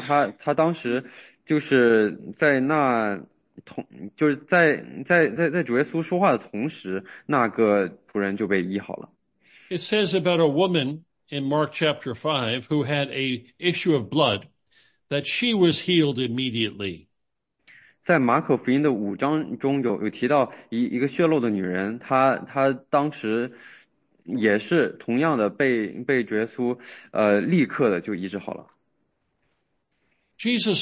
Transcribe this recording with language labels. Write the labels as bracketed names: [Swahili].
[Chinese] 那个罗马的百夫长的仆人，他当时就是在那。 [English] It says about a woman in Mark chapter 5 who had an issue of blood that she was healed immediately. [Chinese] 在马可福音的五章中有提到一个血漏的女人，她当时也是同样的被主耶稣立刻的就医治好了。Jesus